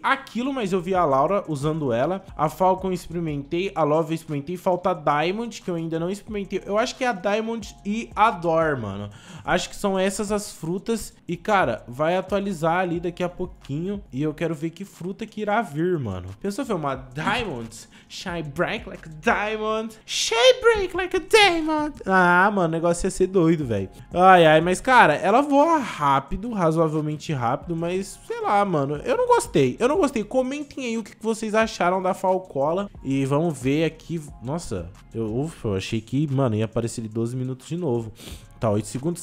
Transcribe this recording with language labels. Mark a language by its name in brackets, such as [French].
[Portuguese] Aquilo, mas eu vi a Laura usando ela. A Falcon experimentei. A Love experimentei. Falta a Diamond, que eu ainda não experimentei. Eu acho que é a Diamond e a Dor, mano. Acho que são essas as frutas. E, cara, vai atualizar ali daqui a pouquinho. E eu quero ver que fruta que irá vir, mano. Pensou, foi uma Diamond? [English] Shine bright like a diamond. Shine bright like a diamond. [Portuguese] Ah, mano, o negócio ia ser doido, velho. Ai, ai, mas, cara, ela voa rápido. Razoavelmente rápido, mas... Mas, sei lá, mano, eu não gostei. Eu não gostei. Comentem aí o que vocês acharam da Falcola. E vamos ver aqui. Nossa, eu achei que, mano, ia aparecer ali 12 minutos de novo. Tá, 8 segundos.